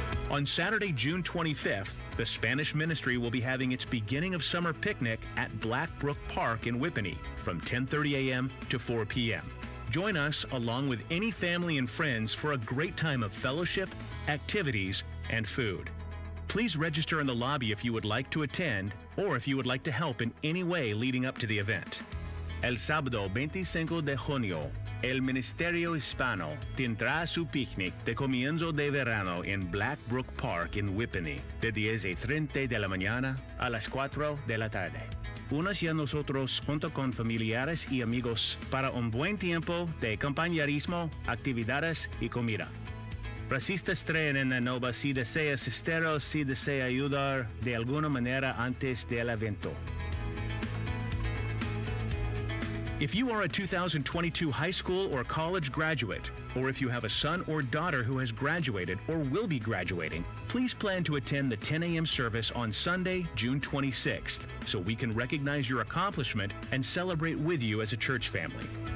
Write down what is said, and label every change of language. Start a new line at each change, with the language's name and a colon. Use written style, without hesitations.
English: On Saturday, June 25th, the Spanish Ministry will be having its beginning of summer picnic at Blackbrook Park in Whippany from 10:30 a.m. to 4 p.m. Join us along with any family and friends for a great time of fellowship, activities, and food. Please register in the lobby if you would like to attend or if you would like to help in any way leading up to the event.
Spanish: El sábado 25 de junio, el Ministerio Hispano tendrá su picnic de comienzo de verano en Blackbrook Park in Whippany de 10:30 de la mañana a las 4 de la tarde. Únase a nosotros junto con familiares y amigos para un buen tiempo de compañerismo, actividades y comida. Resistas traen en la nova si desea asistir o si desea ayudar de alguna manera antes del evento.
English: If you are a 2022 high school or college graduate, or if you have a son or daughter who has graduated or will be graduating, please plan to attend the 10 a.m. service on Sunday, June 26th, so we can recognize your accomplishment and celebrate with you as a church family.